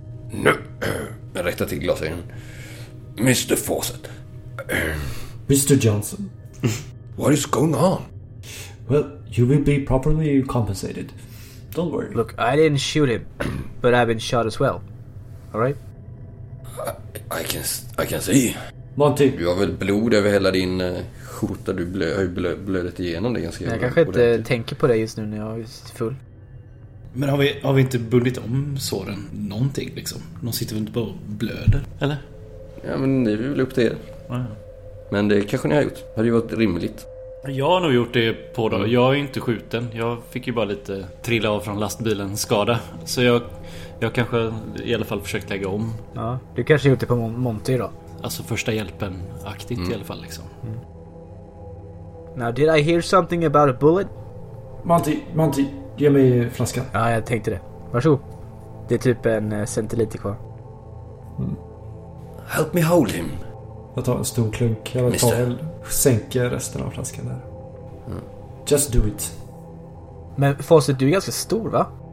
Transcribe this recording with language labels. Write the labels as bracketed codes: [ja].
[sv] No. Rätta till glasen. Mr. Fawcett. [en] Mr. Johnson. What is going on? Well, you will be properly compensated. Don't worry. Look, I didn't shoot him, but I've been shot as well. All right? I can see. Monty. [sv] Du har väl blod över hela din skjorta. Du har blödet igenom det ganska. Jag kanske inte tänker på det just nu när jag är full. Men har vi inte bundit om såren någonting liksom? De sitter väl inte på blöder, eller? Ja, men ni vill väl upp till er. Men det kanske ni har gjort. Har det ju varit rimligt? Jag har nog gjort det på dem. Jag är ju inte skjuten. Jag fick ju bara lite trilla av från lastbilen skada. Så jag kanske i alla fall försökt lägga om. Ja, du kanske gjort det på Monty då. Alltså första hjälpen aktigt i alla fall liksom. Mm. [en] Now did I hear something about a bullet? [sv] Monty, ge mig flaskan. Ja, jag tänkte det. Varsågod. Det är typ en centiliter kvar. [en] Help me hold him. [sv] Jag tar en stor klunk. Jag vill ta en, sänker resten av flaskan där. [en] Just do it. [sv] Men Fawcett, du är ganska stor va?